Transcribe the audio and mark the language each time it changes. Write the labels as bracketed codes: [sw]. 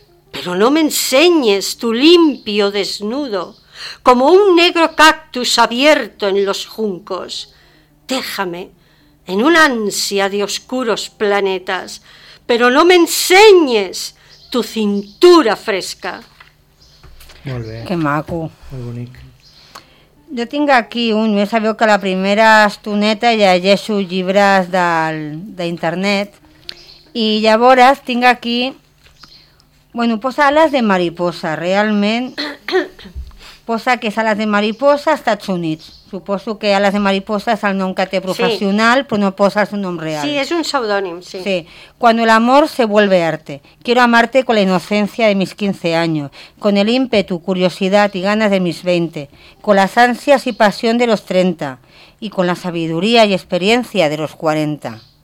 [es] Pero no me enseñes tu limpio desnudo, como un negro cactus abierto en los juncos. Déjame en un ansia de oscuros planetas, pero no me enseñes tu cintura fresca. [ca] Molt bé. Que maco. Molt bonic. Jo tinc aquí un, ja sabeu que la primera estoneta llegeixo llibres d'internet i llavors tinc aquí, bueno, posa Ales de Mariposa, realment posa que és Ales de Mariposa, Estats Units. Suposo que Ales de Mariposa és el nom que té professional, sí, però no posa el seu nom real. Sí, és un pseudònim, sí. Sí. [es] Cuando el amor se vuelve arte. Quiero amarte con la inocencia de mis 15 años, con el ímpetu, curiosidad y ganas de mis 20, con las ansias y pasión de los 30 y con la sabiduría y experiencia de los 40.